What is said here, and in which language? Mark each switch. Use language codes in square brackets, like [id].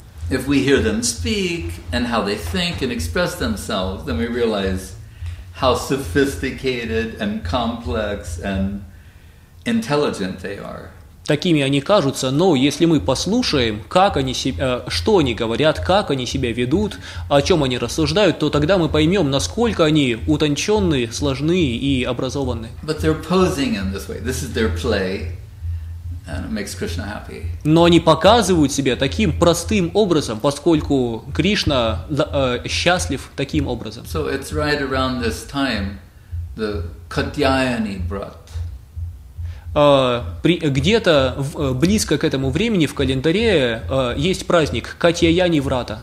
[en] If we hear them speak and how they think and express themselves, then we realize how sophisticated and complex and intelligent they are. [ru] Такими они кажутся, но если мы послушаем, как они что они говорят, как они себя ведут, о чем они рассуждают, то тогда мы поймем, насколько они утонченные, сложные и образованные. [en] But they're posing in this way. This is their play. And it makes Krishna happy. [ru] Но они показывают себя таким простым образом, поскольку Кришна счастлив таким образом. [en] So it's right around this time, the Katyayani Vrat. [ru] Где-то близко к этому времени в календаре есть праздник Катьяяни Врата.